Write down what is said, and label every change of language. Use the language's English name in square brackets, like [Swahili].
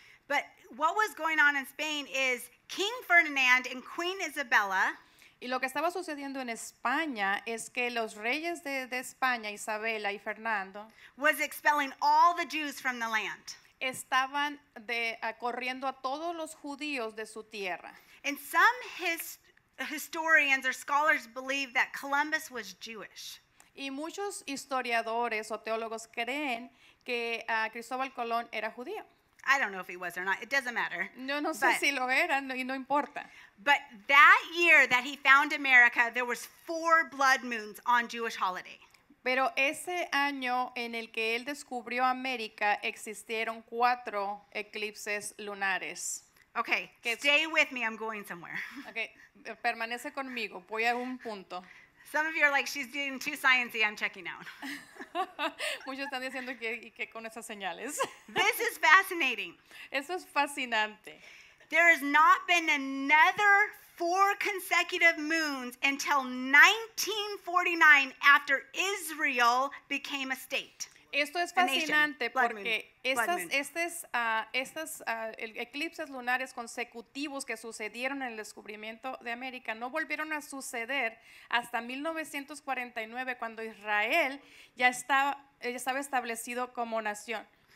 [English] But what was going on in Spain is King Ferdinand and Queen Isabella. [Spanish] Y lo que estaba sucediendo en España es que los reyes de España, Isabela y Fernando. [English] Was expelling all the Jews from the land. [Spanish] Estaban corriendo a todos los judíos de su tierra. [English] And some historians or scholars believe that Columbus was Jewish. [Spanish] Y muchos historiadores o teólogos creen que Cristóbal Colón era judío. [English] I don't know if he was or not. It doesn't matter. [Spanish] Yo no sé si lo era, y no importa. [English] But that year that he found America, there was four blood moons on Jewish holiday. [Spanish] Pero ese año en el que él descubrió América, existieron cuatro eclipses lunares. [English] Okay, stay with me, I'm going somewhere. [Spanish] Okay, permanece conmigo, voy a un punto. [English] Some of you are like, she's getting too sciencey, I'm checking out. [Spanish] Muchos están diciendo que con esas señales. [English] This is fascinating. [Spanish] Eso es fascinante. [English] There has not been another four consecutive moons until 1949 after Israel became a state. [Spanish] Esto es fascinante porque estos eclipses lunares consecutivos que sucedieron en el descubrimiento de América no volvieron a suceder hasta 1949 cuando Israel ya estaba establecido como nación.